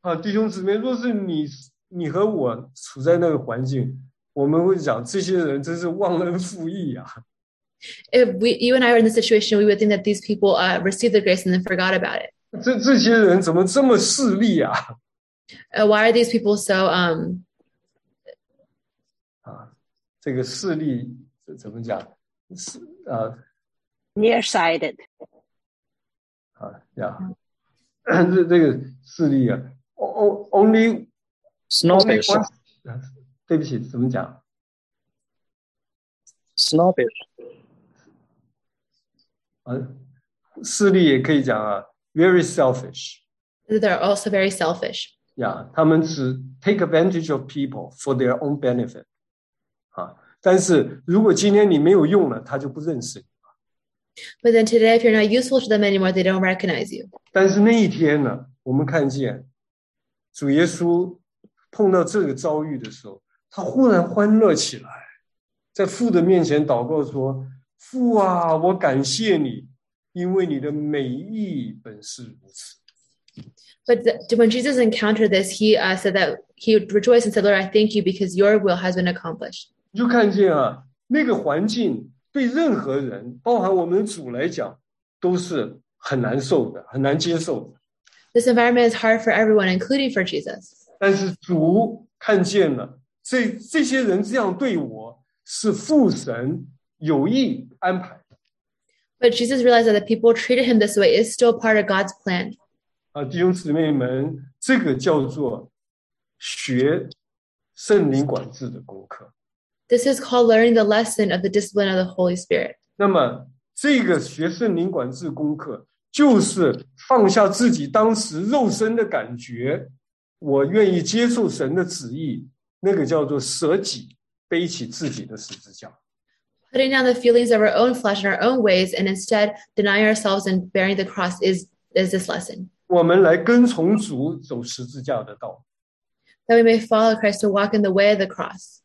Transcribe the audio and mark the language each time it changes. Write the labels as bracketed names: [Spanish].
[Chinese] 弟兄姊妹，若是你你和我处在那个环境，我们会讲这些人真是忘恩负义啊。 [English] If we, you and I were in the situation, we would think that these people received the grace and then forgot about it. [Chinese] 这些人怎么这么势利啊？ [English] Why are these people so... [Chinese] 这个势利怎么讲？ [English] Nearsighted. [Chinese] 这个势利啊 [English] only... Snobbish. [Chinese] 对不起，怎么讲？ [English] Snobbish. [Chinese] 势力也可以讲啊 ， [English] very selfish. They're also very selfish. Yeah, [Chinese] 他们只 [English] take advantage of people for their own benefit. [Chinese] 但是如果今天你没有用了，他就不认识你了。 [English] But then today, if you're not useful to them anymore, they don't recognize you. [Chinese] 但是那一天呢，我们看见主耶稣碰到这个遭遇的时候，他忽然欢乐起来，在父的面前祷告说。父啊，我感谢你，因为你的美意本是如此。 [English] But the, when Jesus encountered this, he said that he rejoiced and said, "Lord, I thank you because your will has been accomplished." [Chinese] 就看见啊，那个环境对任何人，包含我们主来讲，都是很难受的，很难接受的。 [English] This environment is hard for everyone, including for Jesus. [Chinese] 但是主看见了，这些人这样对我，是父神。有意安排。 [English] But Jesus realized that the people treated him this way is still part of God's plan. [Chinese] 弟兄姊妹们，这个叫做学圣灵管制的功课。 [English] This is called learning the lesson of the discipline of the Holy Spirit. [Chinese] 那么，这个学圣灵管制功课，就是放下自己当时肉身的感觉，我愿意接受神的旨意，那个叫做舍己，背起自己的十字架。 [English] Putting down the feelings of our own flesh and our own ways, and instead denying ourselves and bearing the cross is this lesson. [Chinese] 我们来跟从主走十字架的道。 [English] That we may follow Christ to walk in the way of the cross.